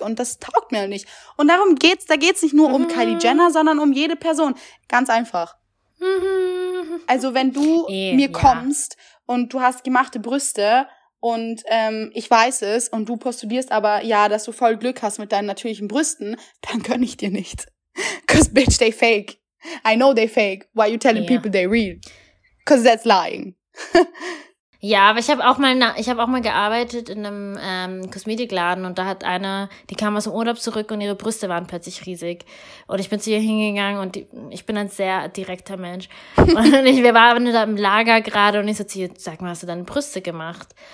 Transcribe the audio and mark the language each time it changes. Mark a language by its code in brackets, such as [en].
[de] Und das taugt mir nicht. Und darum geht's, da geht's nicht nur um Kylie Jenner, sondern um jede Person. Ganz einfach. Also wenn du mir kommst und du hast gemachte Brüste und ich weiß es und du postulierst aber, ja, dass du voll Glück hast mit deinen natürlichen Brüsten, dann gönne ich dir nicht. [en] Because bitch, they fake. I know they fake. Why you telling people they real? Because that's lying. [de] Ja, aber ich habe auch mal gearbeitet in einem Kosmetikladen und da hat eine, die kam aus dem Urlaub zurück und ihre Brüste waren plötzlich riesig. Und ich bin zu ihr hingegangen und ich bin ein sehr direkter Mensch. Und wir waren da im Lager gerade und ich so zu ihr, sag mal, hast du deine Brüste gemacht?